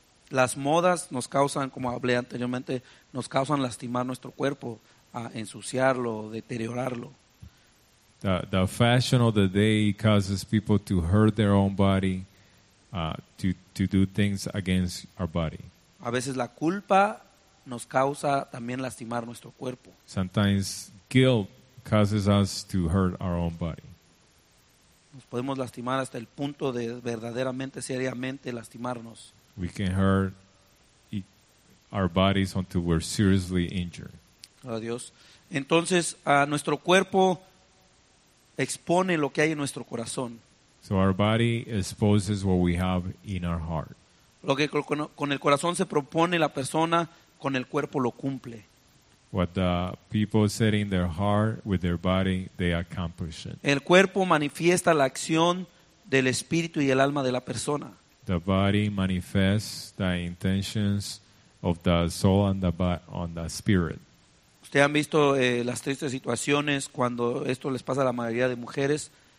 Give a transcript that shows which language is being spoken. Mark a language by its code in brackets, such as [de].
[es] Las modas nos causan, como hablé anteriormente, nos causan lastimar nuestro cuerpo, a ensuciarlo, deteriorarlo. [en] The fashion of the day causes people to hurt their own body. To do things against our body. [es] A veces la culpa nos causa también lastimar nuestro cuerpo. [en] Sometimes guilt causes us to hurt our own body. [es] Nos podemos lastimar hasta el punto de verdaderamente, seriamente lastimarnos. [en] We can hurt our bodies until we're seriously injured. [es] Oh, Dios. Entonces, nuestro cuerpo expone lo que hay en nuestro corazón. [en] So our body exposes what we have in our heart. [es] Lo que con el corazón se propone la persona, con el cuerpo lo cumple. [en] What the people set in their heart with their body, they accomplish it. [es] El cuerpo manifiesta la acción del espíritu y el alma de la persona. [en] The body manifests the intentions of the soul and the spirit. [es] Ustedes han visto las tristes situaciones cuando esto les pasa a la mayoría de mujeres.